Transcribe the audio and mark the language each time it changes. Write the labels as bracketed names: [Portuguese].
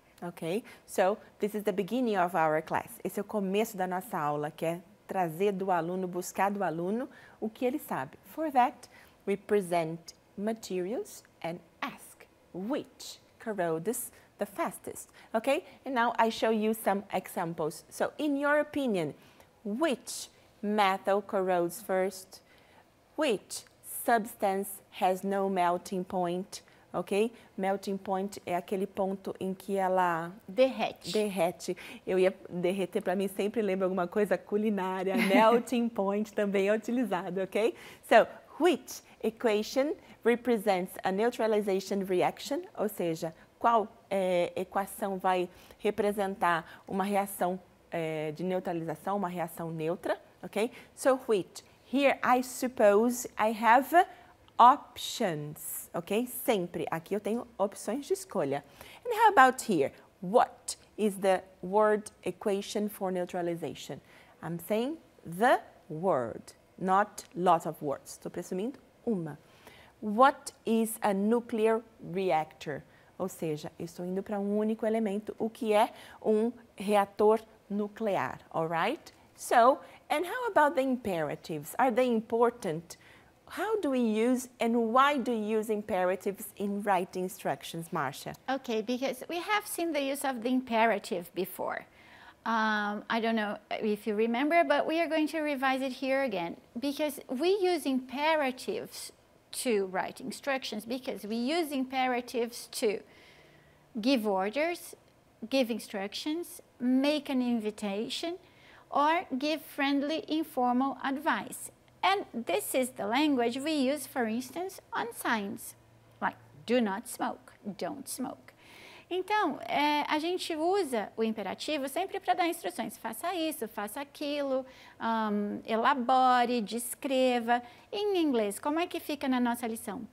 [English] Okay, so this is the beginning of our class. [Portuguese] Esse é o começo da nossa aula, que é trazer do aluno, buscar do aluno o que ele sabe. [English] For that, we present materials and ask which corrodes the fastest. Okay, and now I show you some examples. So in your opinion, which metal corrodes first? Which substance has no melting point, ok? [Portuguese] Melting point é aquele ponto em que ela derrete. Derrete. Eu ia derreter, para mim sempre lembra alguma coisa culinária. [English] Melting point [Portuguese] também é utilizado, [English] ok? So, which equation represents a neutralization reaction? [Portuguese] Ou seja, qual equação vai representar uma reação de neutralização, uma reação neutra, ok? [English] So, which? Here, I suppose I have options, ok? [Portuguese] Sempre. Aqui eu tenho opções de escolha. [English] And how about here? What is the word equation for neutralization? I'm saying the word, not lot of words. [Portuguese] Estou presumindo uma. [English] What is a nuclear reactor? [Portuguese] Ou seja, estou indo para único elemento, o que é reator nuclear, [English] all right? So, and how about the imperatives? Are they important? How do we use and why do you use imperatives in writing instructions, Marcia? Okay, because we have seen the use of the imperative before. I don't know if you remember, but we are going to revise it here again. Because we use imperatives to write instructions, because we use imperatives to give orders, give instructions, make an invitation, or give friendly informal advice. And this is the language we use, for instance, on signs, like do not smoke, don't smoke. [Portuguese] Então, a gente usa o imperativo sempre para dar instruções, faça isso, faça aquilo, elabore, descreva. Em inglês, como é que fica na nossa lição?